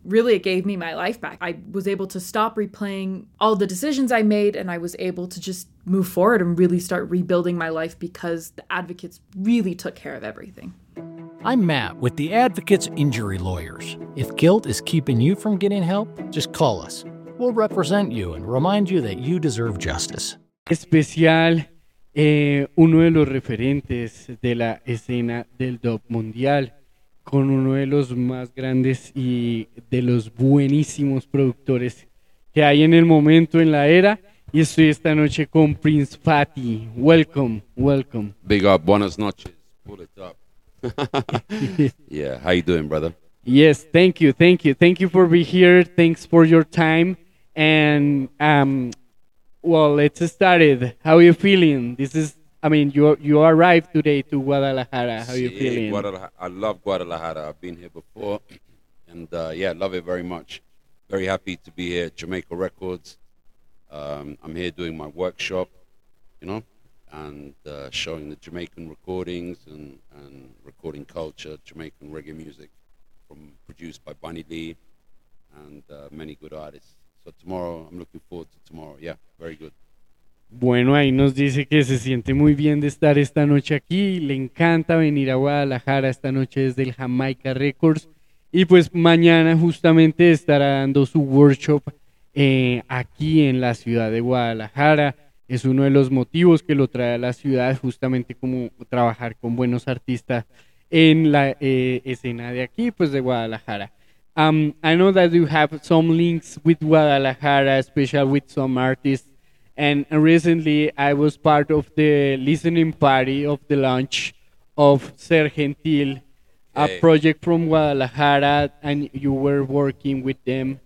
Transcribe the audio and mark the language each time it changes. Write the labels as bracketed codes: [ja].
[en] Really, it gave me my life back. I was able to stop replaying all the decisions I made and I was able to just move forward and really start rebuilding my life because the advocates really took care of everything. I'm Matt with the Advocates Injury Lawyers. If guilt is keeping you from getting help, just call us. We'll represent you and remind you that you deserve justice. [es] Especial, uno de los referentes de la escena del dub mundial, con uno de los más grandes y de los buenísimos productores que hay en el momento en la era. Y estoy esta noche con Prince Fatty. [en] Welcome, welcome. Big up, [es] buenas noches. [en] Pull it up. Yeah, how you doing, brother? Yes, thank you, thank you. Thank you for being here. Thanks for your time. And, well, let's start it. How are you feeling? This is, I mean, you arrived today to Guadalajara. How are you feeling? I love Guadalajara. I've been here before. And, yeah, love it very much. Very happy to be here at Jamaica Records. I'm here doing my workshop, you know, and showing the Jamaican recordings and recording culture, Jamaican reggae music, produced by Bunny Lee and many good artists. So tomorrow, I'm looking forward to tomorrow. Yeah, very good. [es] Bueno, ahí nos dice que se siente muy bien de estar esta noche aquí. Le encanta venir a Guadalajara esta noche desde el Jamaica Records. Y pues mañana justamente estará dando su workshop aquí en la ciudad de Guadalajara. Es uno de los motivos que lo trae a la ciudad, justamente como trabajar con buenos artistas en la escena de aquí, pues de Guadalajara. [en] I know that you have some links with Guadalajara, especially with some artists. And recently I was part of the listening party of the launch of Ser Gentil, a project from Guadalajara, and you were working with them.